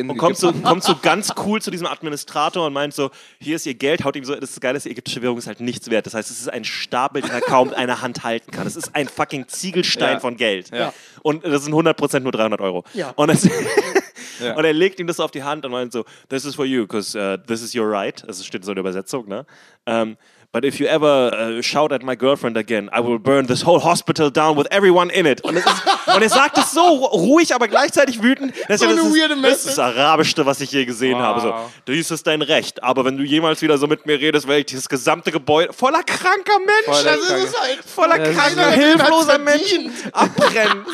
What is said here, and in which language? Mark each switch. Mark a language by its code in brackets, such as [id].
[de] und kommt so ganz cool zu diesem Administrator und meint so, hier ist ihr Geld, haut ihm so, das ist geil, die ägyptische Währung ist halt nichts wert, das heißt, es ist ein Stapel, den er kaum eine Hand halten kann, es ist ein fucking Ziegelstein von Geld und das sind 100% nur 300 Euro. Ja. Und, und er legt ihm das auf die Hand und meint so, [en] this is for you, because this is your right. [de] Das steht so in der Übersetzung, ne? [en] But if you ever shout at my girlfriend again, I will burn this whole hospital down with everyone in it. [de] Und, und er sagt es so ruhig, aber gleichzeitig wütend. Dass so er, eine weirde Message. Das ist das Arabischste, was ich je gesehen habe. So, dies ist dein Recht, aber wenn du jemals wieder so mit mir redest, werde ich dieses gesamte Gebäude voller kranker Menschen, voller, das ist es halt. Voller kranker, hilfloser Menschen abbrennen.